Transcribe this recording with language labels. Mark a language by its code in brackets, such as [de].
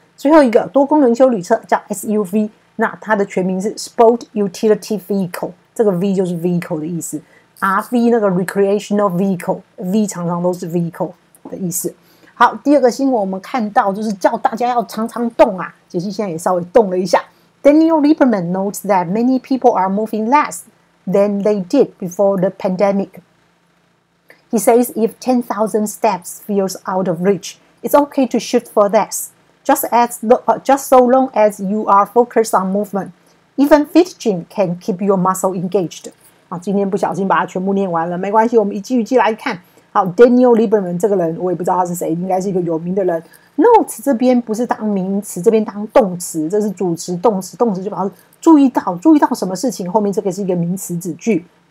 [zh] 最后一个多功能休旅车叫 SUV， 那它的全名是 sport utility vehicle。这个 V 就是 vehicle 的意思 ，RV 那个 recreational vehicle，V 常常都是 vehicle 的意思。好，第二个新闻我们看到就是叫大家要常常动啊，杰西现在也稍微动了一下。 [en] Daniel Lieberman notes that many people are moving less than they did before the pandemic. He says if 10,000 steps feels out of reach, it's okay to shoot for less, just so long as you are focused on movement. Even fit gym can keep your muscle engaged. [zh] 啊，今天不小心把它全部念完了，没关系，我们一句一句来看。好 ，Daniel Lieberman 这个人，我也不知道他是谁，应该是一个有名的人。 Note 这边不是当名词，这边当动词，这是主词，动词，动词就表示注意到，注意到什么事情。后面这个是一个名词子句。